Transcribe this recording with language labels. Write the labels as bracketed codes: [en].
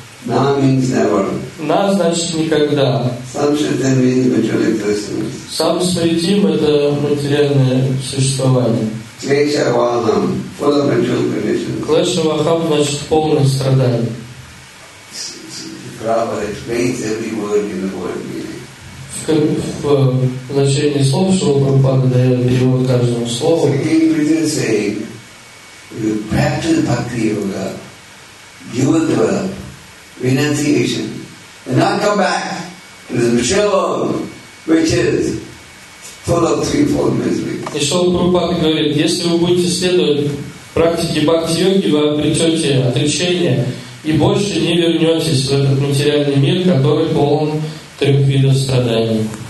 [en] На means never. [ru] На значит никогда. [en] Самшитин means material existence. [ru] Самсмритим это материальное существование. [en] Кришавахам full of material conditions. [ru] Кришавахам значит полное страдание. [en] Prabhupada explains every word in the word meaning. [ru] В значении слов, что Прабхупада дает перевод каждому слову. [en] So King Prithvi is saying, you practice bhakti yoga, you will develop renunciation and not come back to the material world, which is full of threefold miseries. [ru] И Шрила Прабхупада говорит, если вы будете следовать практике бхакти-йоги, вы обретете отречение и больше не вернетесь в этот материальный мир, который полон трех видов страданий.